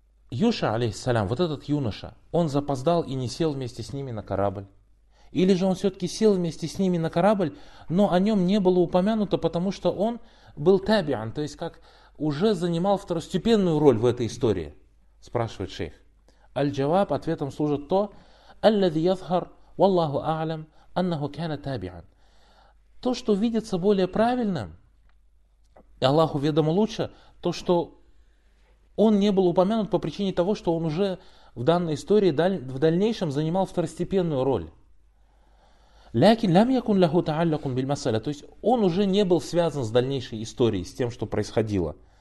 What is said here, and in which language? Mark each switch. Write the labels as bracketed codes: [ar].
[ru] Юша, алейхиссалям, вот этот юноша, он запоздал и не сел вместе с ними на корабль. Или же он все-таки сел вместе с ними на корабль, но о нем не было упомянуто, потому что он был табиан, то есть как уже занимал второстепенную роль в этой истории, спрашивает шейх. Аль-джаваб, ответом служит то, [ar] الذي يظهر والله أعلم أنه كان تابعا. [ru] То, что видится более правильным, и Аллаху ведомо лучше, то, что он не был упомянут по причине того, что он уже в данной истории в дальнейшем занимал второстепенную роль. То есть он уже не был связан с дальнейшей историей, с тем, что происходило.